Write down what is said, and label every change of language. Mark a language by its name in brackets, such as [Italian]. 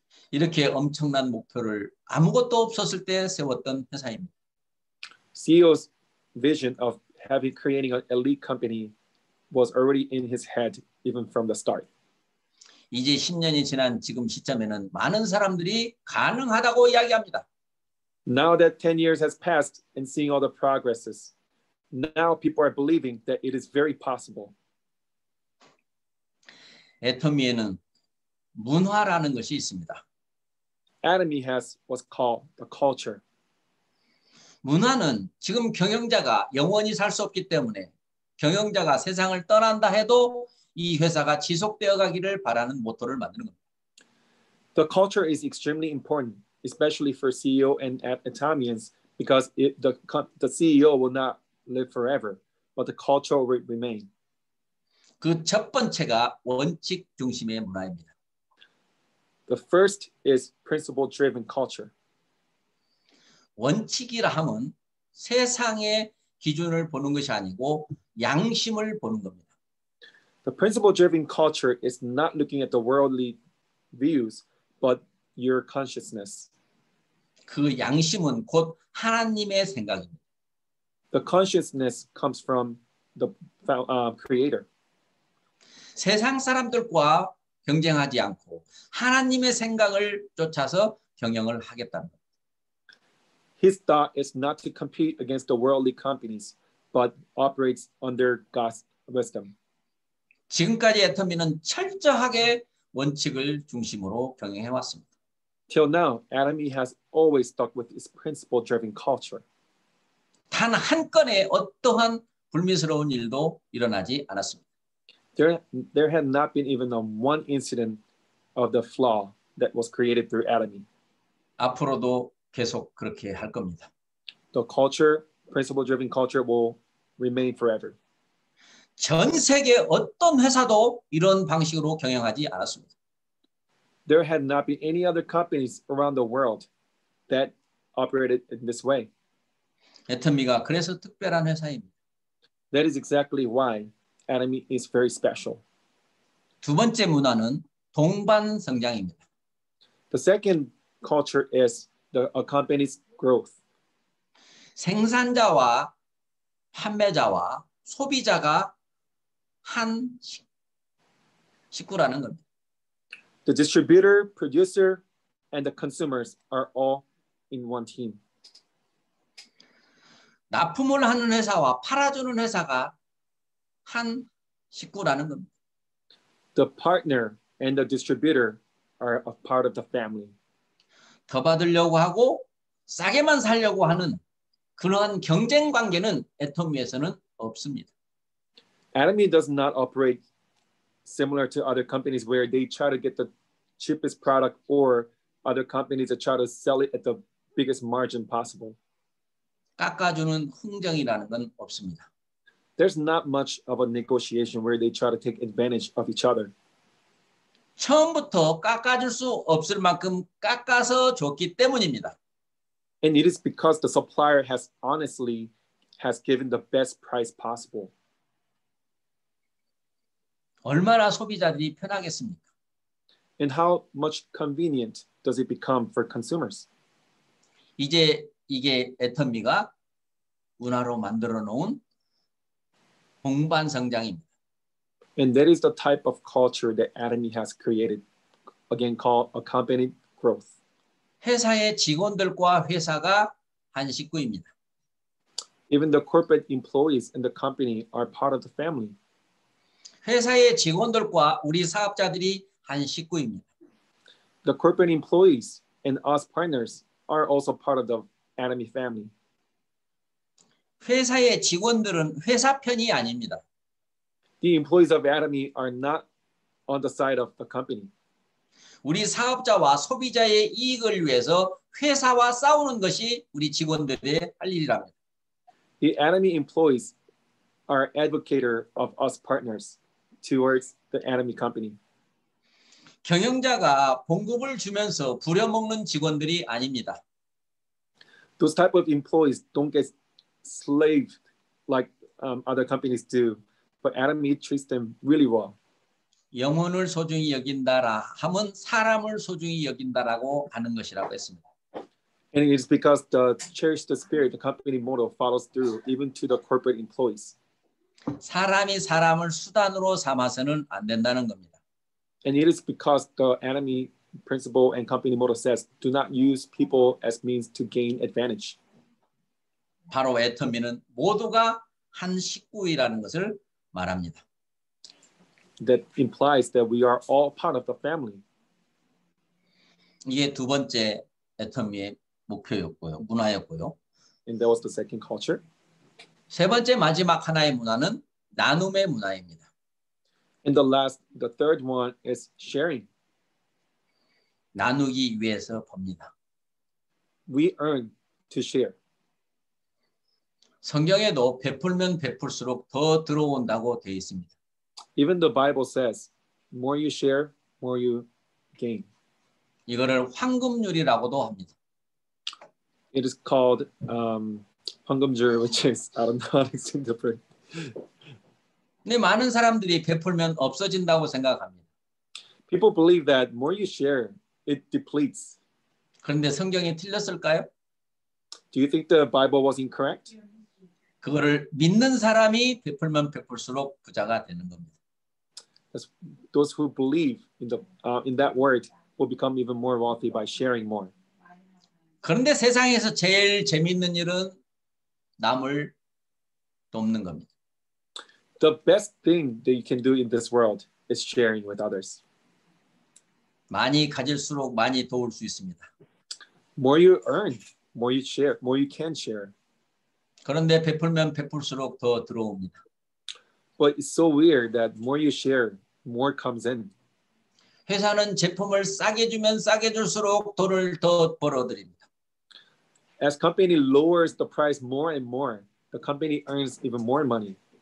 [Korean] 이렇게 엄청난 목표를 아무것도 없었을 때 세웠던 회사입니다. [English] CEO's vision of having creating an elite company was already in his head even from the start. [Korean] 이제 10년이 지난 지금 시점에는 많은 사람들이 가능하다고 이야기합니다. [English] Now that 10 years has passed and seeing all the progresses, now people are believing that it is very possible. [Korean] 애터미에는 문화라는 것이 있습니다. [English] Atomy has what's called the culture. [Korean] 문화는 지금 경영자가 영원히 살 수 없기 때문에 경영자가 세상을 떠난다 해도 이 회사가 지속되어 가기를 바라는 모토를 만드는 겁니다. [English] The culture is extremely important, especially for CEO and Atomians, because the CEO will not live forever, but the culture will remain. [Korean] 그 첫 번째가 원칙 중심의 문화입니다. [English] The first is principle-driven culture. [Korean] 원칙이라 함은 세상의 기준을 보는 것이 아니고 양심을 보는 겁니다. [English] The principle-driven culture is not looking at the worldly views, but your consciousness. [Korean] 그 양심은 곧 하나님의 생각입니다. [English] The consciousness comes from the creator. [Korean] 세상 사람들과 경쟁하지 않고 하나님의 생각을 쫓아서 경영을 하겠다는 것. [English] His thought is not to compete against the worldly companies, but operates under God's wisdom. [Korean] 지금까지 애터미는 철저하게 원칙을 중심으로 경영해 왔습니다. [English] Till now, Atomy has always stuck with its principle-driven culture. [Korean] 단 한 건의 어떠한 불미스러운 일도 일어나지 않았습니다. [English] There had not been even a one incident of the flaw that was created through Atomy. [Korean] 앞으로도 계속 그렇게 할 겁니다. [English] The culture, principle-driven culture, will remain forever. [Korean] 전 세계 어떤 회사도 이런 방식으로 경영하지 않았습니다. [English] There had not been any other companies around the world that operated in this way. [Korean] 애터미가 그래서 특별한 회사입니다. [English] That is exactly why Atomy is very special. [Korean] 두 번째 문화는 동반 성장입니다. [English] The second culture is a company's growth. [Korean] 생산자와 판매자와 소비자가 한 식구라는 겁니다. [English] The distributor, producer, and the consumers are all in one team. [Korean] 납품을 하는 회사와 팔아주는 회사가 한 식구라는 겁니다. [English] The partner and the distributor are a part of the family. [Korean] 더 받으려고 하고 싸게만 살려고 하는 그러한 경쟁 관계는 애터미에서는 없습니다. [English] Atomy does not operate similar to other companies where they try to get the cheapest product or other companies that try to sell it at the biggest margin possible. [Korean] 깎아주는 흥정이라는 건 없습니다. [English] There's not much of a negotiation where they try to take advantage of each other. [Korean] 처음부터 깎아줄 수 없을 만큼 깎아서 줬기 때문입니다. [English] And it is because the supplier has honestly given the best price possible. [Korean] 얼마나 소비자들이 편하겠습니까? [English] And how much convenient does it become for consumers? [Korean] 이제 이게 애터미가 문화로 만들어 놓은 동반 성장입니다. [English] And that is the type of culture that Atomy has created, again called a company growth. [Korean] 회사의 직원들과 회사가 한 식구입니다. [English] Even the corporate employees and the company are part of the family. [Korean] 회사의 직원들과 우리 사업자들이 한 식구입니다. [English] The corporate employees and us partners are also part of the Atomy family. [Korean] 회사의 직원들은 회사 편이 아닙니다. [English] The employees of Atomy are not on the side of the company. [Korean] 우리 사업자와 소비자의 이익을 위해서 회사와 싸우는 것이 우리 직원들의 할 일이랍니다. [English] The enemy employees are advocate of us partners towards the enemy company. [Korean] 경영자가 봉급을 주면서 부려먹는 직원들이 아닙니다. [English] Those type of employees don't get slaved like other companies do, but enemy treats them really well. [Korean] 영혼을 소중히 여긴다라 함은 사람을 소중히 여긴다라고 하는 것이라고 했습니다. [English] And it's because the cherish the spirit, the company motto follows through even to the corporate employees. [Korean] 사람이 사람을 수단으로 삼아서는 안 된다는 겁니다. [English] And it is because the enemy principle and company motto says, do not use people as means to gain advantage. [Korean] 바로 애터미는 모두가 한 식구이라는 것을 말합니다. [English] That implies that we are all part of the family. [Korean] 이게 두 번째 애터미의 목표였고요, 문화였고요. [English] And that was the second culture. [Korean] 세 번째 마지막 하나의 문화는 나눔의 문화입니다. [English] And the last, the third one is sharing. [Korean] 나누기 위해서 법니다. [English] We earn to share. [Korean] 성경에도 베풀면 베풀수록 더 들어온다고 되어 있습니다. [English] Even the Bible says, more you share, more you gain. [Korean] 이거를 황금률이라고도 합니다. [English] It is called 황금률, which is, I don't know how to interpret. [Korean] 네, 많은 사람들이 베풀면 없어진다고 생각합니다. [English] People believe that more you share, it depletes. [Korean] 그런데 성경이 틀렸을까요? [English] Do you think the Bible was incorrect? [Korean] 그거를 믿는 사람이 베풀면 베풀수록 부자가 되는 겁니다. [English] Those who believe in the in that word will become even more wealthy by sharing more. [Korean] 그런데 세상에서 제일 재밌는 일은 남을 돕는 겁니다. [English] The best thing that you can do in this world is sharing with others. [Korean] 많이 가질수록 많이 도울 수 있습니다. [English] More you earn, more you share, more you can share. [Korean] 그런데 베풀면 베풀수록 더 들어옵니다. [English] But it's so weird that more you share, more comes in. [Korean] 회사는 제품을 싸게 주면 싸게 줄수록 돈을 더 벌어들입니다. [English] As company lowers the price more and more, the company earns even more money.